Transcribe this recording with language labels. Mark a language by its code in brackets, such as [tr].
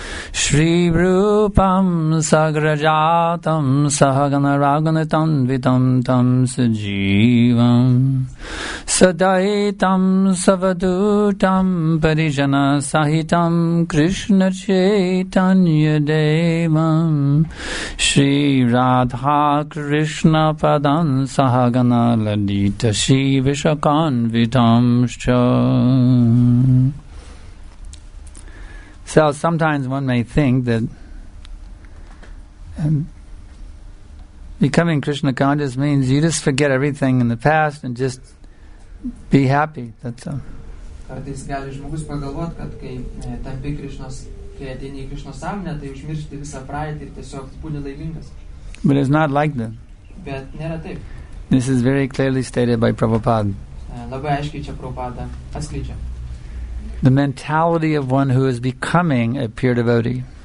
[sa] Shri Rupam Sagrajatam Sahagana Raganitam Vitam Tam Sajivam Sadaitam Savadutam Parijana Sahitam Krishna Chaitanya Devam Shri Radha Krishna Padam Sahagana Ladita Shri Vishakan Vitam Shcha. [en] So sometimes one may think that becoming Krishna conscious means you just forget everything in the past and just be happy. That's all. [lt] Kartais gali žmogus pagalvot, kad kai tampi Krishnos, kai ateini į Krishnos sąmonę, tai užmiršti visą praeitį ir tiesiog būti laimingas. [en] But it's not like that. [lt] Bet nėra taip. [en] This is very clearly stated by Prabhupada. [lt] Labai aiškiai čia Prabhupada atskleidžia. [en] The mentality of one who is becoming a pure devotee.